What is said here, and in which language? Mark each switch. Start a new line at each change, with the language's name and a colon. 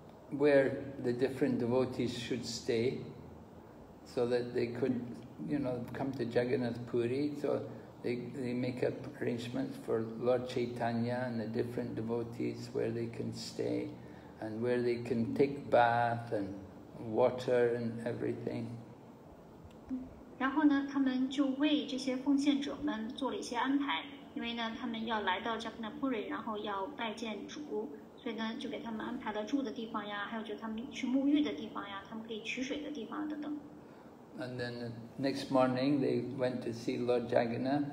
English: where the different devotees should stay, so that they could, you know, come to Jagannath Puri. So they make up arrangements for Lord Chaitanya and the different devotees where they can stay, and where they can take bath and water and everything.
Chinese: 然后呢，他们就为这些奉献者们做了一些安排，因为呢，他们要来到Jagannath Puri，然后要拜见主，所以呢，就给他们安排了住的地方呀，还有就他们去沐浴的地方呀，他们可以取水的地方等等。
English: And then the next morning, they went to see Lord Jagannath.